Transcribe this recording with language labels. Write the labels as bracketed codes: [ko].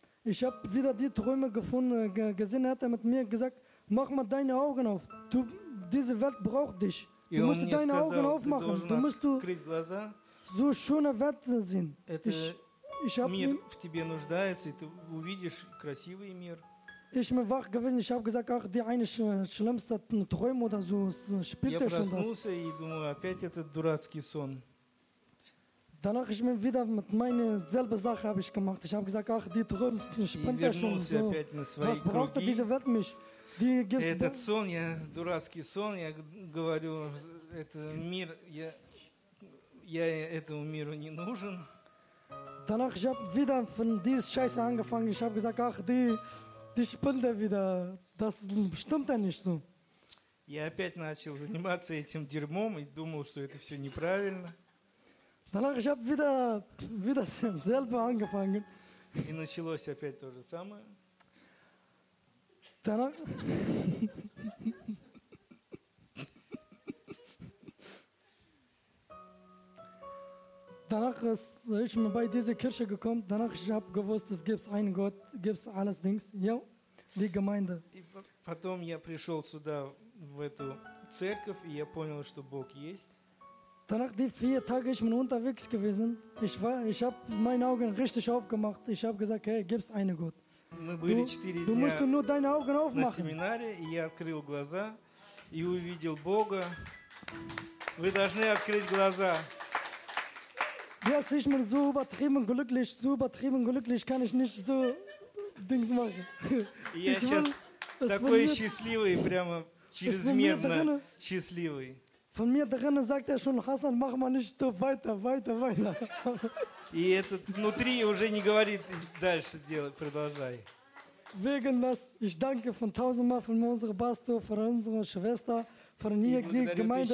[de] Ich habe wieder die Träume gesehen, hat er mit mir gesagt, mach mal deine Augen auf. Diese Welt braucht dich. Du musst deine Augen aufmachen. Du musst [ru] открыть глаза. [de] So schöne Welt sehen. Ich habe mir [ru] в тебе нуждается, и ты увидишь красивый мир. [de] Ich bin wach gewesen, ich habe gesagt, ach, die eine schlimmste Träume oder so, spielt schon das. [ru] Я проснулся и думаю, опять этот дурацкий сон. [de] Danach ich bin wieder mit meine selbe Sache habe ich gemacht. Ich habe gesagt, ach, die Träume spielt schon so. Was braucht diese Welt mich? Die [ru] этот сон, я дурацкий сон, я говорю, этот мир, я этому миру не нужен. [de] Danach ich habe wieder von dieser Scheiße angefangen. Ich habe gesagt, ach, die spielt er wieder. Das stimmt ja nicht so. [ru] Я опять начал заниматься этим дерьмом и думал, что это все неправильно. [de] Danach ich habe wieder selber angefangen. [ru] И началось опять то же самое. [de] Danach. Danach ist ich bei dieser Kirche gekommen. Danach ich habe gewusst, es gibt einen Gott, gibt alles Dings. Ja. Die Gemeinde. [ru] И потом я пришел сюда, в эту церковь, и я понял, что Бог есть. [de] Danach die vier Tage ich bin unterwegs gewesen. Ich habe meine Augen richtig aufgemacht. Ich habe gesagt, hey, gibt's einen Gott. [ru] Мы были 4 [de] дня. Du musst nur deine Augen aufmachen. [ru] На семинаре, и я открыл глаза и увидел Бога. Вы должны открыть глаза. [de] Yes, ich bin so übertrieben glücklich. So übertrieben glücklich kann ich nicht so. Dings machen. [ru] Я ich сейчас will, такой счастливый, прямо чрезмерно счастливый. [de] Von mir drin sagt er schon, Hassan, mach mal nicht so weiter. [ru] И этот внутри уже не говорит дальше делай, продолжай. [de] Wegen das, ich danke von tausendmal von unserem Pastor, von unserer Schwester, von hier die Gemeinde.